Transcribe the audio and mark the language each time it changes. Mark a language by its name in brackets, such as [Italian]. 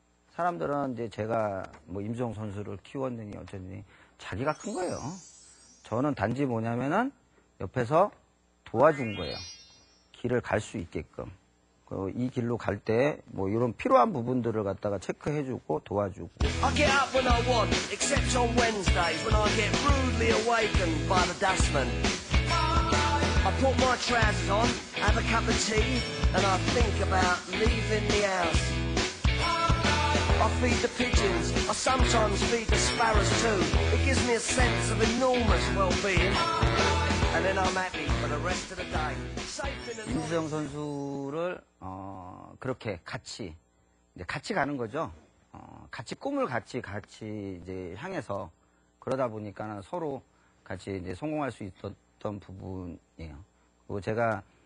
[Korean] 사람들은 이제 제가 뭐 임수영 선수를 키웠느니 어쩌니 자기가 큰 거예요. 저는 단지 뭐냐면은 옆에서 도와준 거예요. 길을 갈 수 있게끔. 그리고 이 길로 갈 때 뭐 이런 필요한 부분들을 갖다가 체크해주고 도와주고. [English] I get up when I want, except on Wednesdays when I get rudely awakened by the dustman. I put my trousers on, have a cup of tea, and I think about leaving the house. I feed the pigeons, I sometimes feed the sparrows too. It gives me a sense of enormous well-being. And then I'm happy for the rest of the day. [Korean] 임수영 선수를 그렇게 같이 이제 같이 가는 거죠. 같이 꿈을 같이 이제 향해서 그러다 보니까는 서로 같이 이제 성공할 수 있었던 부분이에요. 그리고 제가